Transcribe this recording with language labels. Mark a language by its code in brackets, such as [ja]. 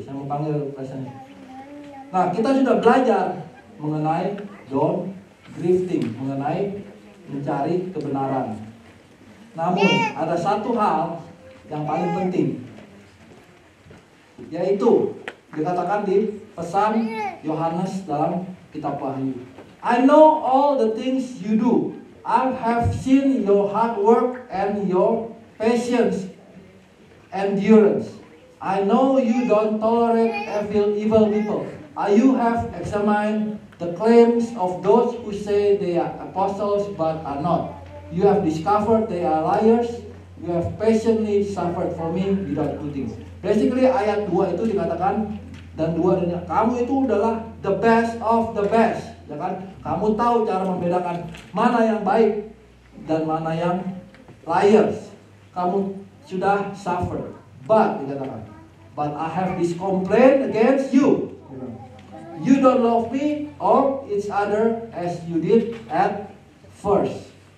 [id] Saya mau panggil presiden. Nah, kita sudah belajar mengenai [en] don't drifting, [id] mengenai mencari kebenaran. Namun, ada satu hal yang paling penting, yaitu dikatakan di pesan Yohanes dalam kitab Wahyu. [en] I know all the things you do. I have seen your hard work and your patience, endurance. I know you don't tolerate evil people. You have examined the claims of those who say they are apostles but are not. You have discovered they are liars. You have patiently suffered for me without quitting. Basically, [id] ayat 2 itu dikatakan, dan 2 adanya, kamu itu adalah [en] the best of the best. [id] Ya kan? Kamu tahu cara membedakan mana yang baik dan mana yang liars. Kamu sudah suffer. [en] But, [id] dikatakan, [en] but I have this complaint against you. You don't love me or each other as you did at first.